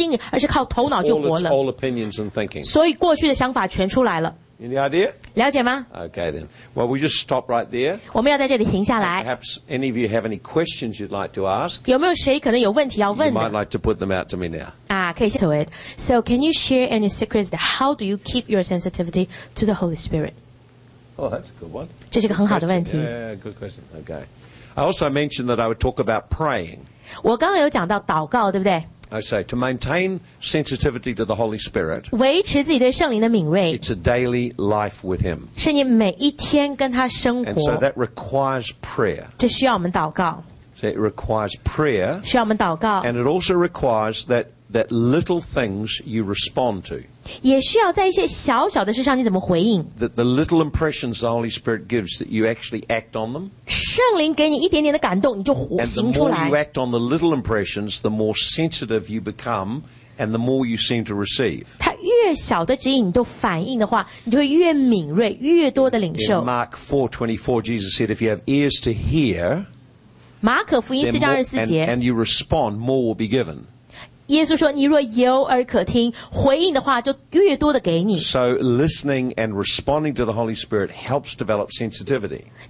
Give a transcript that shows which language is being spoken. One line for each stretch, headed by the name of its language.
Chinese: 不然他们很快就不是活在灵跟心里，而是靠头脑就活了。
English: All opinions and thinking.
Chinese: 所以过去的想法全出来了。
English: Any idea?
Chinese: 了解吗?
English: Okay then. Well, we just stop right there.
Chinese: 我们要在这里停下来。
English: Perhaps any of you have any questions you'd like to ask?
Chinese: 有没有谁可能有问题要问的?
English: You might like to put them out to me now.
Chinese: 可以先回。
English: So can you share any secrets that how do you keep your sensitivity to the Holy Spirit? Oh, that's a good one.
Chinese: 这是个很好的问题。
English: Good question. Okay. I also mentioned that I would talk about praying.
Chinese: 我刚刚有讲到祷告，对不对？
English: I say, to maintain sensitivity to the Holy Spirit,
Chinese: 维持自己对圣灵的敏锐,
English: it's a daily life with Him.
Chinese: 是你每一天跟他生活,
English: and so that requires prayer.
Chinese: 这需要我们祷告。
English: So it requires prayer,
Chinese: 需要我们祷告。
English: And it also requires that little things you respond to.
Chinese: 也需要在一些小小的事上你怎么回应。
English: That the little impressions the Holy Spirit gives that you actually act on them.
Chinese: 圣灵给你一点点的感动, 你就行出来。
English: And the more you act on the little impressions, the more sensitive you become, and the more you seem to receive.
Chinese: 越小的指引你都反应的话, 你就会越敏锐, 越多的领受。
English: In Mark 4:24, Jesus said, if you have ears to hear,
Chinese: 马可福音4章24节,
English: and you respond, more will be given.
Chinese: 耶稣说你若有耳可听,回应的话就越多的给你。
English: So listening and responding to the Holy Spirit helps develop sensitivity.